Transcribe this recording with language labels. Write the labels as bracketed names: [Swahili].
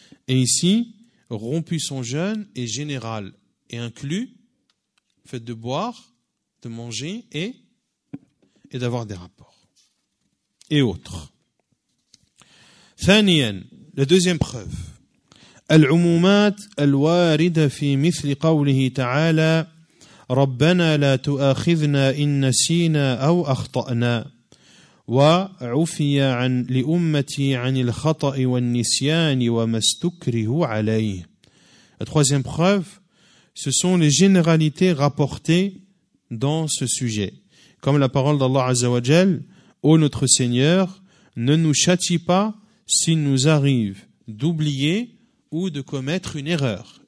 [French] Et ici, rompu son jeûne est général et inclus fait de boire, de manger et d'avoir des rapports. Et autres. [Arabic] ثانياً, [French] la deuxième preuve. [Arabic] العمومات الواردة في مثل قوله تعالى ربنا لا تؤاخذنا إن نسينا أو أخطأنا وعفي عن لأمتي عن الخطأ والنسيان وما استكره عليه. [French] La troisième preuve, ce sont les généralités rapportées dans ce sujet. Comme la parole d'Allah Azza wa Jal, ô notre Seigneur, ne nous châtie pas s'il nous arrive d'oublier ou de commettre une erreur.